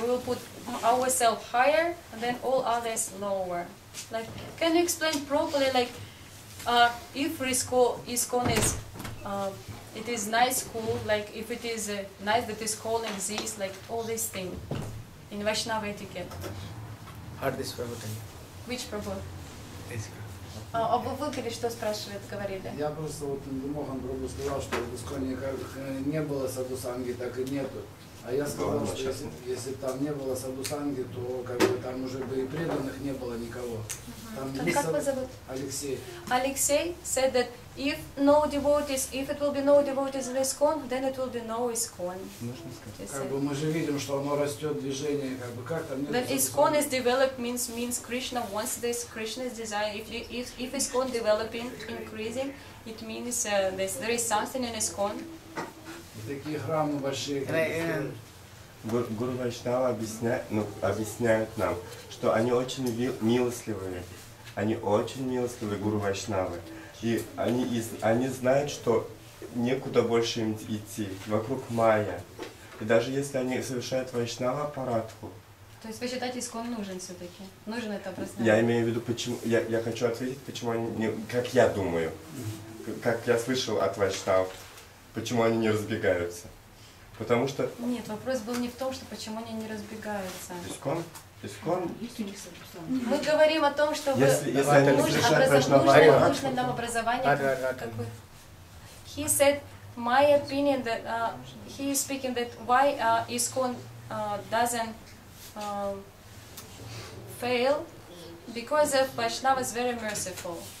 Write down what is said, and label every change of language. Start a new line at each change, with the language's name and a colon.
English: We will put ourselves higher and then all others lower. Like, can you explain properly, like, if ISKCON is, it is nice school, like, if it is a nice that is calling this, like, all these things in Vaishnava etiquette? Hare this Prabhu, can you? Which Prabhu? ISKCON.
Russian: А вы выкрили, что спрашивает, говорили? Я просто вот Мохан Прабху сказал, что в Исконе как не было садусанги, так и нету. А я сказал, да, что если бы там не было садусанги, то как бы там уже бы и преданных не было никого. Uh-huh. Там как вас зовут? Алексей.
English: Алексей said that if no devotees, if it will be no devotees in Iskon, then it will be no Iskon.
Russian: Как бы мы же видим, что оно растет движение, как бы как там нет.
English: That Iskon is developed means Krishna wants this, Krishna's desire. If Iskon developing, increasing, it means this, there is something in Iskon.
Russian: Такие храмы большие. Гуру Вайшнава объясняют нам, что они очень милостливые. Они очень милостливые, гуру Вайшнавы. И они знают, что некуда больше им идти, вокруг майя. И даже если они совершают Вайшнава парадху. То есть вы считаете, ИСКОН нужен все-таки? Нужен это образование? Я имею в виду, почему. Я хочу ответить, почему они не. Как я думаю, как я слышал от Вайшнав. Почему они не разбегаются? Потому что. Нет, вопрос был не в том, что почему они не разбегаются. ИСКОН? ИСКОН? Мы говорим о том, что нужно нам образование.
English: He said, my opinion that he is speaking that why ISKCON doesn't fail because of Vaishnava is very merciful.